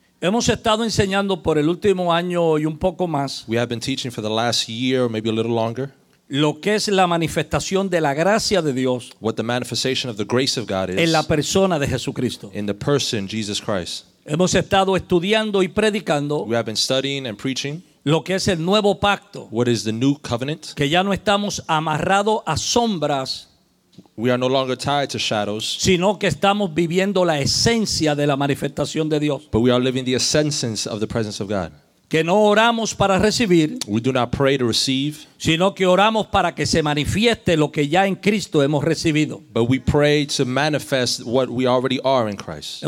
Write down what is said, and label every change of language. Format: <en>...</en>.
<es>Hemos estado enseñando por el último año y un poco más.</es> <en>We have been teaching for the last year, maybe a little longer.</en> <es>Lo que es la manifestación de la gracia de Dios.</es> <en>What the manifestation of the grace of God is.</en> <es>En la persona de Jesucristo.</es> <en>In the person, Jesus Christ.</en> <es>Hemos estado estudiando y predicando.</es> <en>We have been studying and preaching.</en> <es>Lo que es el nuevo pacto.</es> <en>What is the new covenant.</en> <es>Que ya no estamos amarrados a sombras.</es> <en>We are no longer tied to shadows,</en> <es>sino que estamos viviendo la esencia de la manifestación de Dios.</es> <en>But we are living the essence of the presence of God.</en> <es>Que no oramos para recibir,</es> <en>we do not pray to receive,</en> <es>sino que oramos para que se manifieste lo que ya en Cristo hemos recibido.</es> <en>But we pray to manifest what we already are in Christ.</en>